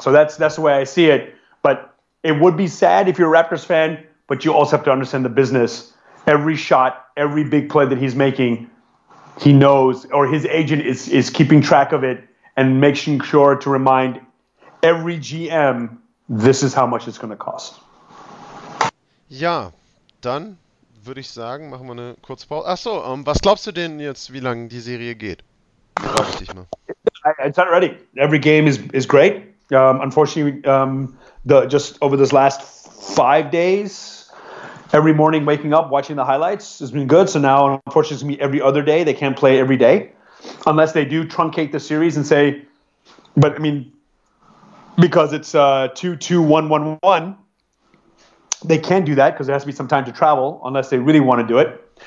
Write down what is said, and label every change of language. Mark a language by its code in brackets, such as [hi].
[en] So that's the way I see it. But it would be sad if you're a Raptors fan, but you also have to understand the business. Every shot, every big play that he's making, he knows, or his agent is keeping track of it and making sure to remind every GM, this is how much it's going to cost. [de] Ja, dann würde ich sagen, machen wir eine kurze Pause. Achso, was glaubst du denn jetzt, wie lange die Serie geht? [en] It's not ready. Every game is great. Unfortunately, just over this last 5 days, every morning waking up, watching the highlights has been good. So now, unfortunately, it's going to be every other day. They can't play every day unless they do truncate the series and say, but I mean, because it's 2-2-1-1-1, they can't do that because there has to be some time to travel unless they really want to do it.